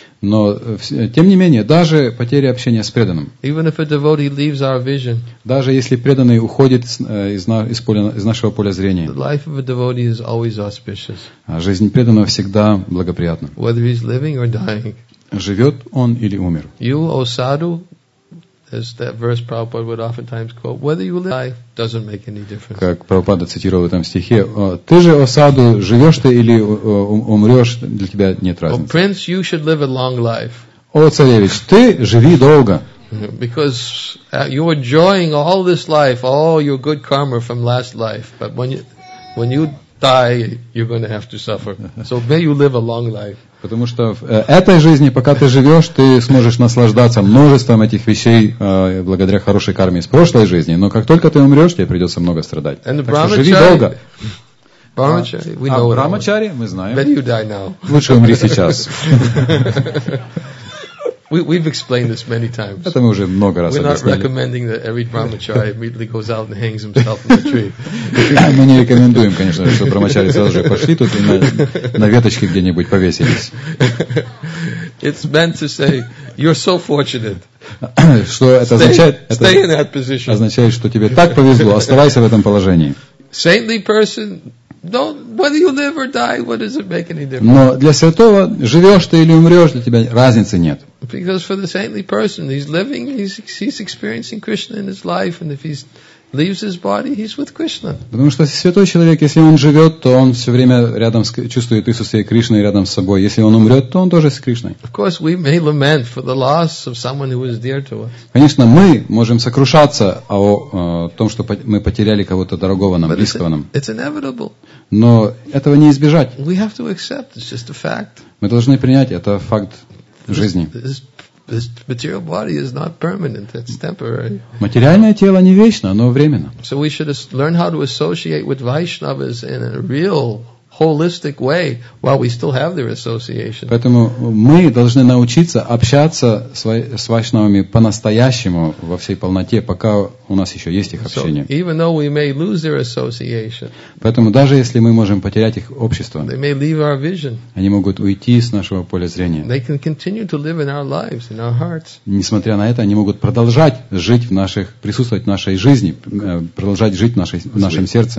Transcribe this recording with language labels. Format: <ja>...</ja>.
<ru>Но тем не менее, даже потеря общения с преданным.</ru> <en>Even if a devotee leaves our vision.</en> <ru>Даже если преданный уходит из нашего поля зрения.</ru> <en>The life of a devotee is always auspicious.</en> <ru>Жизнь преданного всегда благоприятна.</ru> <en>Whether he's living or dying.</en> <ru>Живет он или умер.</ru> <en>You, O sadhu, as that verse Prabhupada would oftentimes quote, whether you live or die doesn't make any difference.</en> <ru>Как Прабхупада цитировал в этом стихе, ты же, о саду, живешь ты или умрешь, для тебя нет разницы.</ru> <en>O prince, you should live a long life.</en> <ru>О царевич, ты живи долго.</ru> <en>Because you're enjoying all this life, all your good karma from last life, but when you die, you're going to have to suffer. So may you live a long life.</en> <ru>Потому что в этой жизни, пока ты живешь, ты сможешь наслаждаться множеством этих вещей благодаря хорошей карме из прошлой жизни. Но как только ты умрешь, тебе придется много страдать.</ru> <en>And</en> <ru>так что живи долго. Брамачари, мы знаем.</ru> <en>Better you die now.</en> <ru>Лучше умри сейчас.</ru> <en>We've explained this many times.</en> <ru>Это мы уже много раз объясняли.</ru> <en>We're not recommending that every brahmachari immediately goes out and hangs himself in the tree.</en> <ru>Мы не рекомендуем, конечно, чтобы брахмачари сразу же пошли тут и на веточке где-нибудь повесились.</ru> <en>It's meant to say you're so fortunate.</en> <ru>Что это означает?</ru> <en>Stay in that position.</en> <ru>Означает, что тебе так повезло. Оставайся в этом положении.</ru> <en>Saintly person. Don't, whether you live or die, what does it make any difference?</en> <ru>Но для святого, живешь ты или умрешь, для тебя разницы нет.</ru> <en>Because for the saintly person, he's living, he's experiencing Krishna in his life, and if he leaves his body, he's with Krishna.</en> <ru>Потому что святой человек, если он живет, то он все время рядом чувствует присутствие Кришны рядом с собой. Если он умрет, то он тоже с Кришной.</ru> <en>Of course, we may lament for the loss of someone who is dear to us.</en> <ru>Конечно, мы можем сокрушаться о том, что мы потеряли кого-то дорогого нам, близкого нам.</ru> <en>It's inevitable.</en> <ru>Но этого не избежать.</ru> <en>We have to accept. It's just a fact.</en> <ru>Мы должны принять, это факт жизни.</ru> <en>This material body is not permanent, it's temporary.</en> <ru>Материальное тело не вечно, оно временно.</ru> <en>So we should learn how to associate with Vaishnavas in a real, holistic way while we still have their association.</en> <ru>Поэтому мы должны научиться общаться с Вайшнавами по-настоящему во всей полноте, пока у нас еще есть их общение.</ru> <en>So, even though we may lose their association.</en> <ru>Поэтому даже если мы можем потерять их общество,</ru> <en>they may leave our vision.</en> <ru>Они могут уйти с нашего поля зрения.</ru> <en>They can continue to live in our lives, in our hearts.</en> <ru>Несмотря на это, они могут продолжать жить присутствовать в нашей жизни, продолжать жить в нашем сердце.</ru>